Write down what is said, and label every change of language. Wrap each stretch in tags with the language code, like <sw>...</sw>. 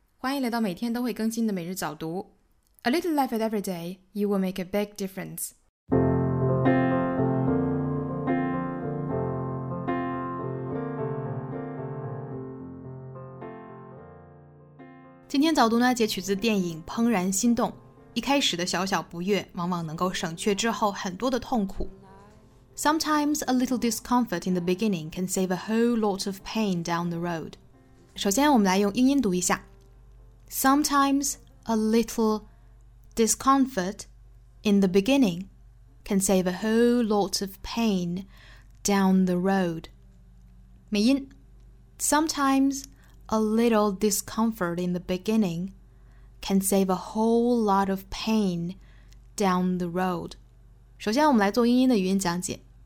<zh>欢迎来到每天都会更新的每日早读。</zh> <en>A little effort every day, you will make a big difference.</en> <zh>今天早读呢，截取自电影《怦然心动》。一开始的小小不悦，往往能够省却之后很多的痛苦。</zh> <en>Sometimes a little discomfort in the beginning can save a whole lot of pain down the road.</en> <zh>首先我们来用英音读一下</zh> <en>Sometimes a little discomfort in the beginning can save a whole lot of pain down the road</en> <zh>美音</zh> <en>Sometimes a little discomfort in the beginning can save a whole lot of pain down the road</en> <zh>首先我们来做英音的语音讲解</zh>